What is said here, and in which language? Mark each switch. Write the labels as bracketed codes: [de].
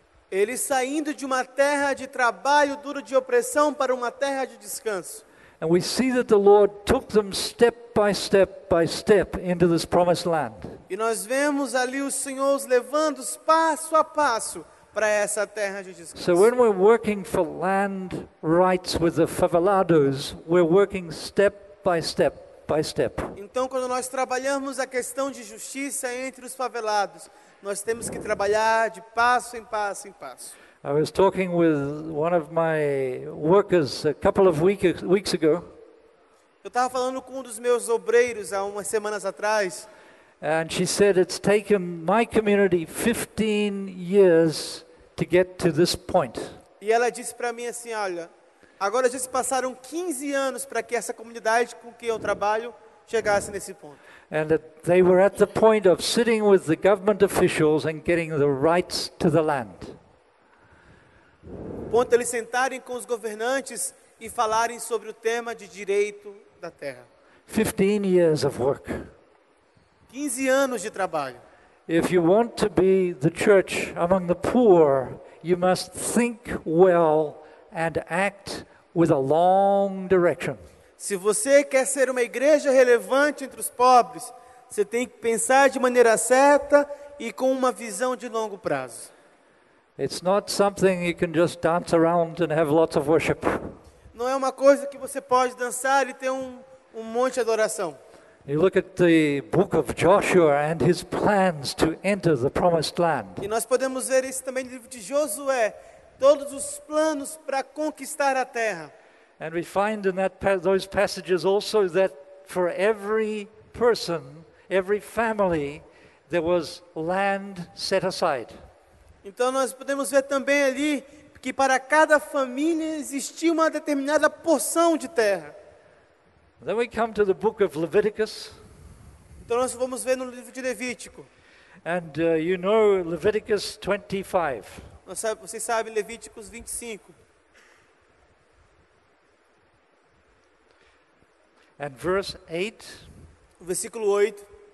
[pt] Eles saindo de uma terra de trabalho duro de opressão para uma terra de descanso. [en] And we see that the Lord took them step by step by step into this promised land. [pt] E nós vemos ali o Senhor os levando passo a passo para essa terra de descanso. [en] So when we're working for land rights with the favelados, we're working step by step. By step. [pt] Então, quando nós trabalhamos a questão de justiça entre os favelados, nós temos que trabalhar de passo em passo em passo. [en] I was talking with one of my workers a couple of weeks ago. [pt] Eu estava falando com um dos meus obreiros há umas semanas atrás. [en] And she said it's taken my community 15 years to get to this point. [pt] E ela disse para mim assim, olha, agora já se passaram 15 anos para que essa comunidade com que eu trabalho chegasse nesse ponto. [en] And they were at the point of sitting with the government officials and getting the rights to the land. [pt] O ponto de eles sentarem com os governantes e falarem sobre o tema de direito da terra. [en] 15 years of work. [pt] 15 anos de trabalho. [en] If you want to be the church among the poor, you must think well and act with a long direction. [pt] Se você quer ser uma igreja relevante entre os pobres, você tem que pensar de maneira certa e com uma visão de longo prazo. [en] It's not something you can just dance around and have lots of worship. [pt] Não é uma coisa que você pode dançar e ter um monte de adoração. [en] You look at the book of Joshua and his plans to enter the promised land. [pt] E nós podemos ver isso também no livro de Josué. Todos os planos para conquistar a terra. [en] And we find in those passages also that for every person, every family, there was land set aside. [pt] Então nós podemos ver também ali que para cada família existia uma determinada porção de terra. [en] Then we come to the book of Leviticus. [pt] Então nós vamos ver no livro de Levítico. [en] And you know Leviticus 25. [pt] Vocês sabem Levíticos 25. [en] And verse 8. [pt] O versículo 8.